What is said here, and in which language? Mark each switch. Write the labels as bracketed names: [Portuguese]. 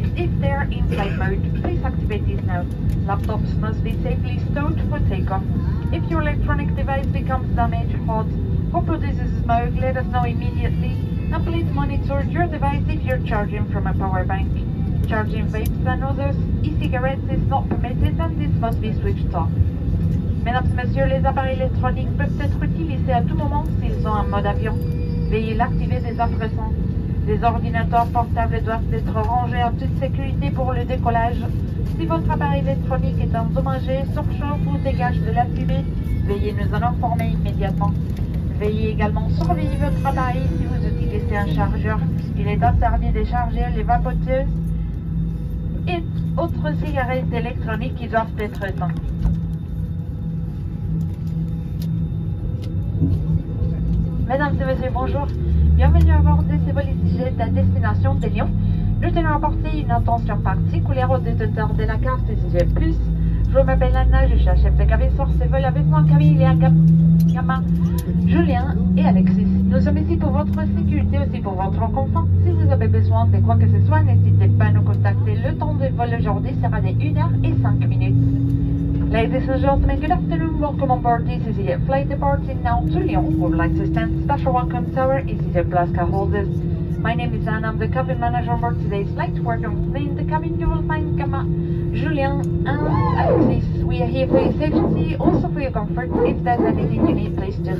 [English] If they are in flight mode, please activate these now. Laptops must be safely stowed for takeoff. If your electronic device becomes damaged, hot, or produces smoke, let us know immediately. And please monitor your device if you're charging from a power bank. Charging vapes and others, e-cigarettes is not permitted and this must be switched off. [French] Mesdames et messieurs, les appareils électroniques peuvent être utilisés à tout moment s'ils ont un mode avion. Veuillez l'activer dès à présent. Les ordinateurs portables doivent être rangés en toute sécurité pour le décollage. Si votre appareil électronique est endommagé, surchauffe ou dégage de la fumée, veuillez nous en informer immédiatement. Veuillez également surveiller votre appareil si vous utilisez un chargeur. Il est interdit de charger les vapoteuses et autres cigarettes électroniques qui doivent être éteintes. Mesdames et messieurs, bonjour. Bienvenue à bord de ce vol EasyJet à destination de Lyon. Nous tenons à porter une attention particulière aux détenteurs de la carte EasyJet Plus. Je m'appelle Anna, je suis chef de cabine sur ce vol avec moi Camille, Léa, Gamin, Julien et Alexis. Nous sommes ici pour votre sécurité, aussi pour votre confort. Si vous avez besoin de quoi que ce soit, n'hésitez pas à nous contacter. Le temps de vol aujourd'hui sera de 1h05. [English] Ladies and gentlemen, good afternoon. Welcome on board. This is EasyJet flight departing now to Lyon. Room line to stand. Special welcome to our EasyJet Plus card holders. My name is Anna. I'm the cabin manager for today's flight. Working with me in the cabin, you will find Gamma, Julien, and Alexis. We are here for your safety, also for your comfort. If there's anything you need, please just ask.